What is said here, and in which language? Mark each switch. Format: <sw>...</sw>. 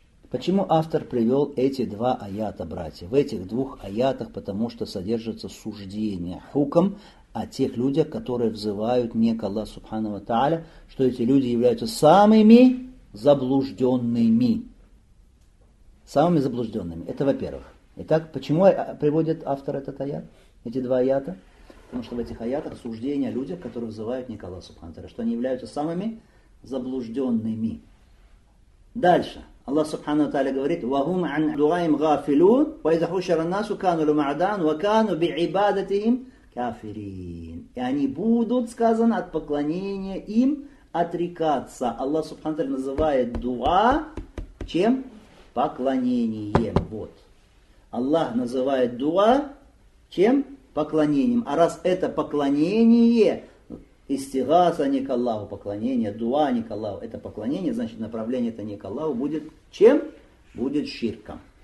<ru>Почему автор привел эти два аята, братья? В этих двух аятах, потому что содержится суждение, хукм о тех людях, которые взывают не к Аллаху Субхану ва Тааля, что эти люди являются самыми заблужденными. Самыми заблужденными. Это во-первых. Итак, почему приводит автор этот аят, эти два аята? Потому что в этих аятах суждение о людях, которые взывают не к Аллаху Субхану ва Тааля, что они являются самыми заблужденными. Дальше. Аллах Субхану ва Тааля говорит:</ru> <ar>وَهُمْ عَنْ دُعَائِهِمْ غَافِلُونَ وَإِذَا حُشِرَ النَّاسُ كَانُوا لَهُمْ أَعْدَاءً وَكَانُوا بِعِبَادَتِهِمْ كَافِرِينَ.</ar> <ru>И они будут, сказано, от поклонения им отрекаться. Аллах Субхану ва Тааля называет дуа чем? Поклонением. Вот. Аллах называет дуа чем? Поклонением. А раз это поклонение, истигаса не к Аллаху, поклонение, дуа не к Аллаху, это поклонение, значит направление это не к Аллаху, будет чем? Будет ширком.</ru>